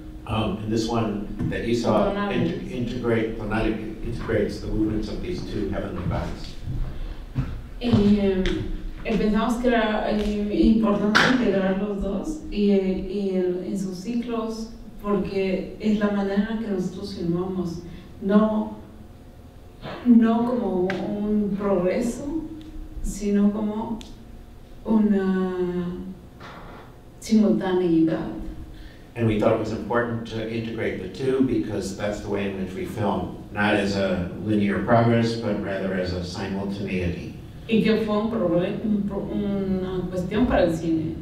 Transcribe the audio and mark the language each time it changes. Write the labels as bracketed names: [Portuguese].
[English] And this one that you saw integrates the movements of these two heavenly bodies. [Spanish] Pensamos que era importante integrar los dos y en sus ciclos porque es la manera que nosotros filmamos, no como un progreso, sino como una simultaneidad. [English] And we thought it was important to integrate the two because that's the way in which we film, not as a linear progress, but rather as a simultaneity. [Spanish] Y que fue una cuestión para el cine.